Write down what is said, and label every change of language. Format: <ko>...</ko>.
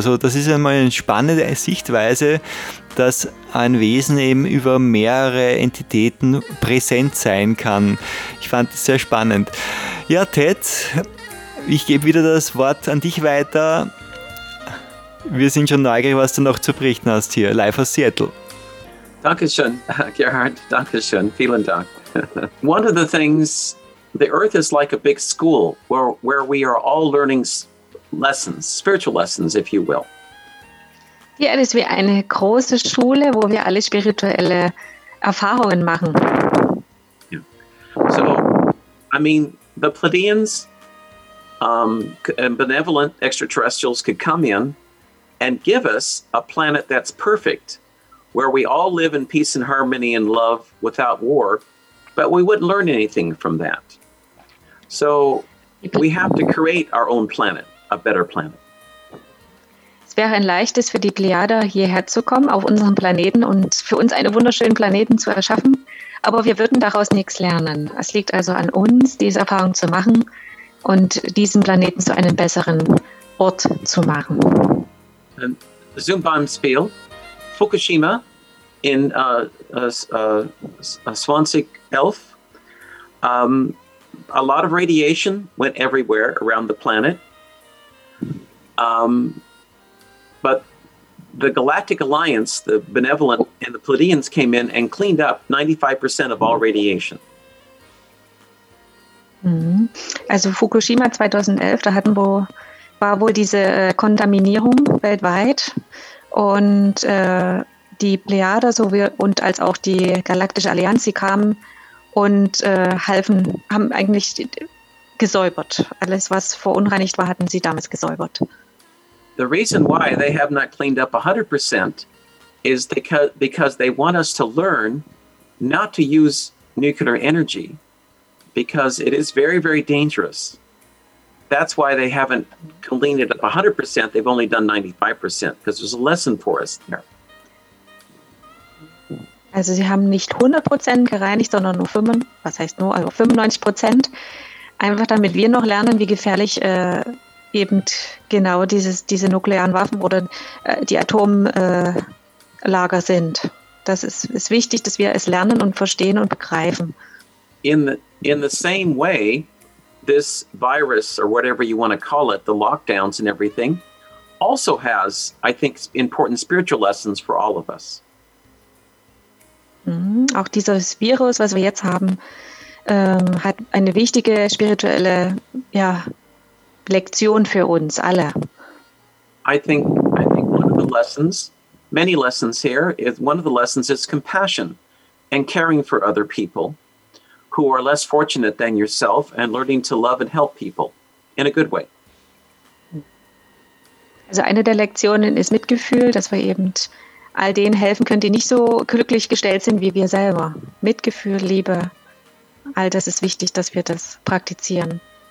<de>Also das ist einmal eine spannende Sichtweise, dass ein Wesen eben über mehrere Entitäten präsent sein kann. Ich fand es sehr spannend. Ja, Ted, ich gebe wieder das Wort an dich weiter. Wir sind schon neugierig, was du noch zu berichten hast hier, live aus Seattle. Dankeschön, Gerhard. Dankeschön. Vielen Dank.</de> <en>One of the things, the Earth is like a big school where we are all learning lessons, spiritual lessons, if you will.</en> <de>Die Erde ist wie eine große Schule, wo wir alle spirituelle Erfahrungen machen.</de> <en>Yeah. So, I mean, the Pleiadians and benevolent extraterrestrials could come in and give us a planet that's perfect, where we all live in peace and harmony and love without war, but we wouldn't learn anything from that. So we have to create our own planet, a better planet.</en> <de>Es wäre ein leichtes für die Plejader, hierher zu kommen, auf unseren Planeten und für uns einen wunderschönen Planeten zu erschaffen, aber wir würden daraus nichts lernen. Es liegt also an uns, diese Erfahrung zu machen und diesen Planeten zu einem besseren Ort zu machen. Zoom beim Spiel.</de> <en>Fukushima in 2011, a lot of radiation went everywhere around the planet, but the Galactic Alliance, the Benevolent and the Pleiadians came in and cleaned up 95% of all radiation.</en> <de>Also Fukushima 2011, da hatten wir, war wohl diese Kontaminierung weltweit. Und die Plejader sowie und als auch die Galaktische Allianz, sie kamen und halfen, haben eigentlich gesäubert. Alles, was verunreinigt war, hatten sie damals gesäubert.</de> <en>The reason why they have not cleaned up 100% is because they want us to learn not to use nuclear energy, because it is very, very dangerous. That's why they haven't cleaned it up 100%. They've only done 95%, because there's a lesson for us there.</en> <de>Also sie haben nicht 100% gereinigt, sondern nur 95%. Einfach damit wir noch lernen, wie gefährlich eben genau diese nuklearen Waffen oder die Atomlager sind. Das ist wichtig, dass wir es lernen und verstehen und begreifen.</de> <en>In the same way, this virus or whatever you want to call it, the lockdowns and everything, also has, I think, important spiritual lessons for all of us.</en> <de>Auch dieses Virus, was wir jetzt haben, hat eine wichtige spirituelle Lektion für uns alle.</de> <en>I think one of the lessons, many lessons here, is one of the lessons is compassion and caring for other people who are less fortunate than yourself and learning to love and help people in a good way.</en> <de>Also eine der Lektionen ist Mitgefühl, dass wir eben all denen helfen können, die nicht so glücklich gestellt sind wie wir selber. Mitgefühl, Liebe, all das ist wichtig, dass wir das praktizieren.</de>